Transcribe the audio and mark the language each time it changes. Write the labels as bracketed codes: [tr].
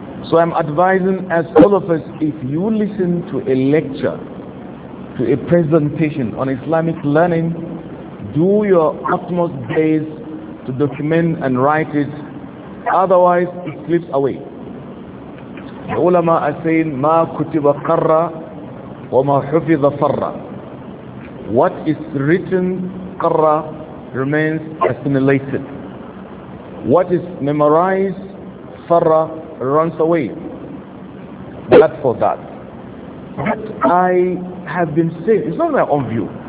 [en] So I'm advising as all of us, if you listen to a lecture, to a presentation on Islamic learning, do your utmost best to document and write it. Otherwise, it slips away. The ulama are saying, [ar] ما كتب قرّ وما حفظ فرّ. [en] What is written, قرّ, remains assimilated. What is memorized, فرّ, runs away. But for that, what I have been saying, it's not my own view.